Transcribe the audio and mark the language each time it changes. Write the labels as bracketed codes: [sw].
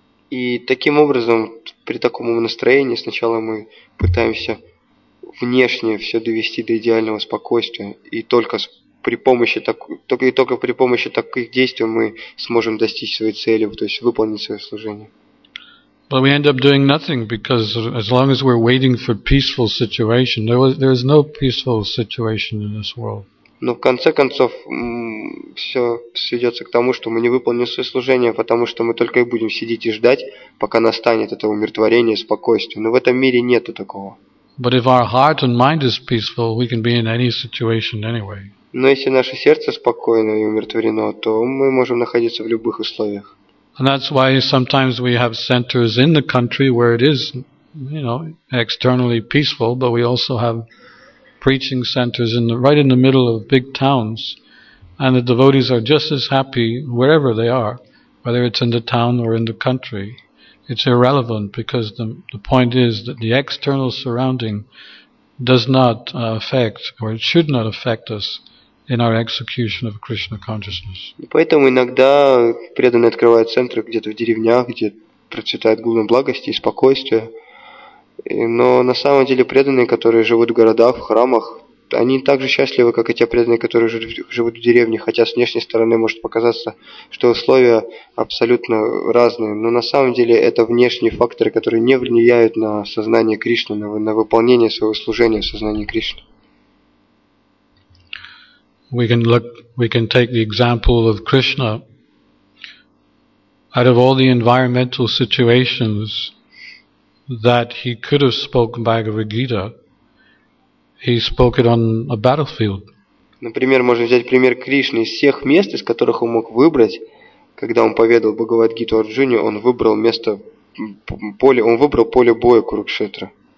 [ru] И таким образом, при таком настроении, сначала мы пытаемся внешне все довести до идеального спокойствия, и только при помощи таких действий мы сможем достичь своей цели, то есть выполнить свое служение. [en] But we end up doing nothing, because as long as we're waiting for peaceful situation, there is no peaceful situation in this world. [ru] Но в конце концов все сведется к тому, что мы не выполним свое служение, потому что мы только и будем сидеть и ждать, пока настанет это умиротворение, спокойствие. Но в этом мире нету такого. [en] But if our heart and mind is peaceful, we can be in any situation anyway. [ru] Но если наше сердце спокойно и умиротворено, то мы можем находиться в любых условиях. [en] And that's why sometimes we have centers in the country where it is, you know, externally peaceful, but we also have preaching centers right in the middle of big towns, and the devotees are just as happy wherever they are, whether it's in the town or in the country. It's irrelevant, because the point is that the external surrounding does not affect, or it should not affect us in our execution of Krishna consciousness. [ru] Поэтому иногда преданные открывают центры где-то в деревнях, где процветает гуна благости и спокойствия. Но на самом деле преданные, которые живут в городах, в храмах, они так же счастливы, как и те преданные, которые живут в деревне, хотя с внешней стороны может показаться, что условия абсолютно разные. Но на самом деле это внешние факторы, которые не влияют на сознание Кришны, на выполнение своего служения в сознании Кришны. [en] We can take the example of Krishna. Out of all the environmental situations that he could have spoken Bhagavad Gita, he spoke it on a battlefield. [ru] Например, можно взять пример Кришны. Из всех мест, из которых он мог выбрать, когда он поведал Бхагавад Гиту Арджуне, он выбрал место поле, он выбрал поле боя Курукшетра.